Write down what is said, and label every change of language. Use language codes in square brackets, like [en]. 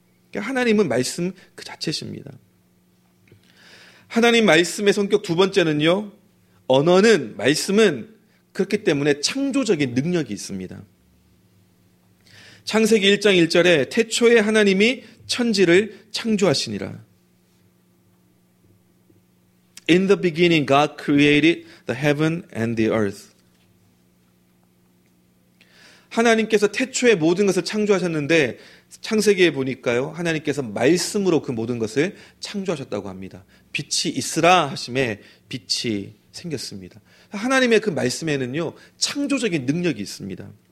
[ko] 그러니까 하나님은 말씀 그 자체십니다. 하나님 말씀의 성격 두 번째는요. 언어는 말씀은 그렇기 때문에 창조적인 능력이 있습니다. 창세기 1장 1절에 태초에 하나님이 천지를 창조하시니라. [en] In the beginning God created the heaven and the earth. [ko] 하나님께서 태초에 모든 것을 창조하셨는데 창세기에 보니까요. 하나님께서 말씀으로 그 모든 것을 창조하셨다고 합니다. 빛이 있으라 하심에 빛이 생겼습니다. 하나님의 그 말씀에는요. 창조적인 능력이 있습니다.